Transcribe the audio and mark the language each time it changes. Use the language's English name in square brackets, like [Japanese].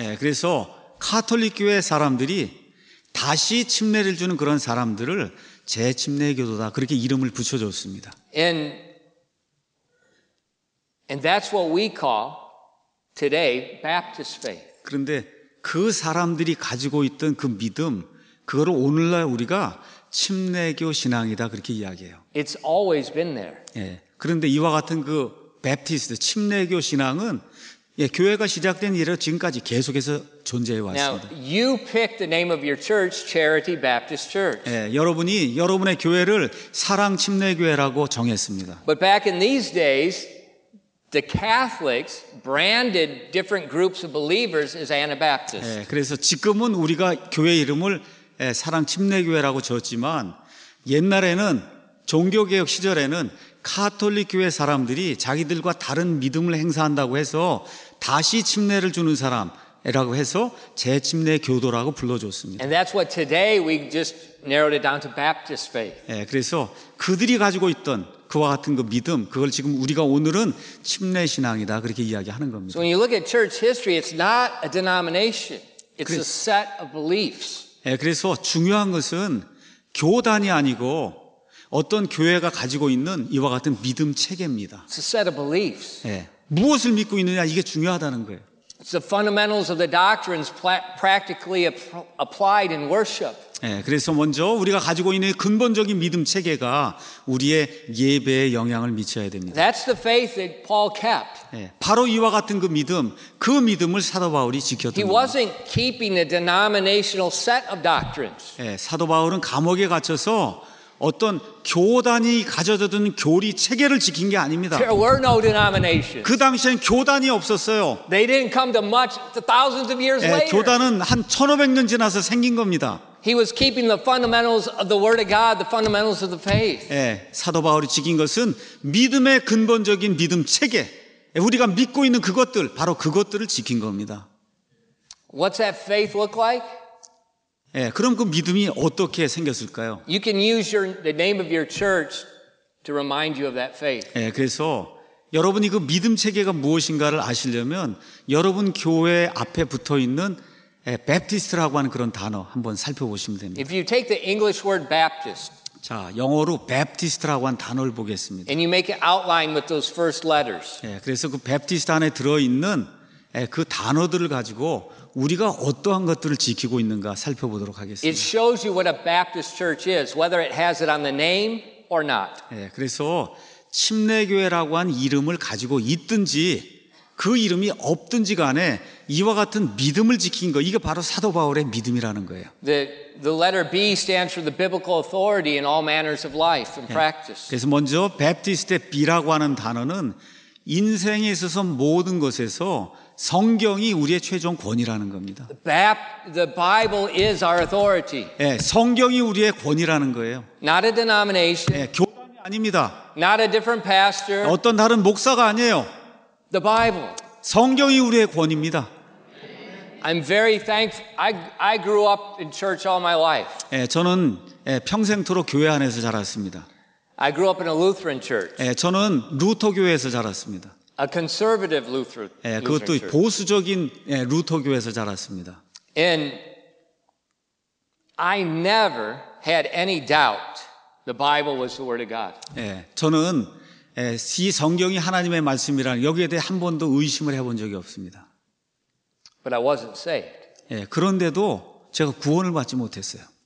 [Korean] 예, 그래서 가톨릭 교회 사람들이 다시 침례를 주는 그런 사람들을 재침례교도다 그렇게 이름을 붙여줬습니다. [English] And that's what we call today Baptist faith. [Korean] 그런데 그 사람들이 가지고 있던 그 믿음, 그거를 오늘날 우리가 침례교 신앙이다 그렇게 이야기해요. [English] It's always been there. [Korean] 예. 그런데 이와 같은 그 Baptist 침례교 신앙은 예, 교회가 시작된 이래로 지금까지 계속해서 존재해 왔습니다. [English] Now you pick the name of your church, Charity Baptist Church. [Korean] 예, 여러분이 여러분의 교회를 사랑 침례교회라고 정했습니다. [English] But back in these days, the Catholics branded different groups of believers as Anabaptists. [Korean] 예, 그래서 지금은 우리가 교회 이름을 예, 사랑 침례교회라고 지었지만 옛날에는 종교개혁 시절에는 카톨릭 교회 사람들이 자기들과 다른 믿음을 행사한다고 해서 다시 침례를 주는 사람이라고 해서 재침례 교도라고 불러줬습니다. [English] And that's what today we just narrowed it down to Baptist faith. [Korean] 예, 그래서 그들이 가지고 있던 그와 같은 그 믿음 그걸 지금 우리가 오늘은 침례 신앙이다 그렇게 이야기하는 겁니다. [English] So when you look at church history, it's not a denomination. It's 그래, a set of beliefs. [Korean] 예, 그래서 중요한 것은 교단이 아니고 어떤 교회가 가지고 있는 이와 같은 믿음 체계입니다. [English] It's a set of beliefs. [Korean] 예, 무엇을 믿고 있느냐 이게 중요하다는 거예요. [English] It's the fundamentals of the doctrines practically applied in worship. [Korean] 예, 그래서 먼저 우리가 가지고 있는 근본적인 믿음 체계가 우리의 예배에 영향을 미쳐야 됩니다. [English] That's the faith that Paul kept. [Korean] 예, 바로 이와 같은 그 믿음, 그 믿음을 사도 바울이 지켰던 거예요. [English] He wasn't keeping a denominational set of doctrines. [Korean] 예, 사도 바울은 감옥에 갇혀서 어떤 교단이 가져다준 교리 체계를 지킨 게 아닙니다. [English] There were no denominations. [Korean] 그 당시엔 교단이 없었어요. [English] They didn't come to much thousands of years later. [Korean] 교단은 한 1500년 지나서 생긴 겁니다. [English] He was keeping the fundamentals of the word of God, the fundamentals of the faith. [Korean] 예, 사도 바울이 지킨 것은 믿음의 근본적인 믿음 체계. 우리가 믿고 있는 그것들, 바로 그것들을 지킨 겁니다. [English] What's that faith look like? [Korean] 예, 그럼 그 믿음이 어떻게 생겼을까요? [English] You can use your, the name of your church to remind you of that faith. [Korean] 예, 그래서 여러분이 그 믿음 체계가 무엇인가를 아시려면 여러분 교회 앞에 붙어 있는 Baptist라고 하는 그런 단어 한번 살펴보시면 됩니다. [English] If you take the English word Baptist. [Korean] 자, 영어로 Baptist라고 한 단어를 보겠습니다. [English] And you make an outline with those first letters. [Korean] 예, 그래서 그 Baptist 안에 들어 있는 그 단어들을 가지고 우리가 어떠한 것들을 지키고 있는가 살펴보도록 하겠습니다. [English] It shows you what a Baptist church is, whether it has it on the name or not. [Korean] 예, 그래서 침례교회라고 한 이름을 가지고 있든지 그 이름이 없든지 간에 이와 같은 믿음을 지킨 거, 이게 바로 사도 바울의 믿음이라는 거예요. [English] The letter B stands for the biblical authority in all manners of life and practice. [Korean] 예, 그래서 먼저 Baptist의 B라고 하는 단어는 인생에 있어서 모든 것에서 성경이 우리의 최종 권위라는 겁니다. [English] The Bible is our authority. [Korean] 예, 성경이 우리의 권위라는 거예요. [English] Not a denomination. [Korean] 예, 교단이 아닙니다. [English] Not a different pastor. [Korean] 어떤 다른 목사가 아니에요. [English] The Bible. [Korean] 성경이 우리의 권위입니다. [English] I'm very thankful. I grew up in church all my life. [Korean] 예, 저는 평생토록 교회 안에서 자랐습니다. [English] I grew up in a Lutheran church. [Korean] 예, 저는 루터 교회에서 자랐습니다. [English] A conservative Lutheran church. [Korean] 예, 그것도 보수적인 예, 루터 교회에서 자랐습니다. [English] And I never had any doubt the Bible was the word of God. [Korean] 예, 저는 이 성경이 하나님의 말씀이란 여기에 대해 한 번도 의심을 해본 적이 없습니다. [English] But I wasn't saved. [Korean] 예, 그런데도 제가 구원을 받지 못했어요.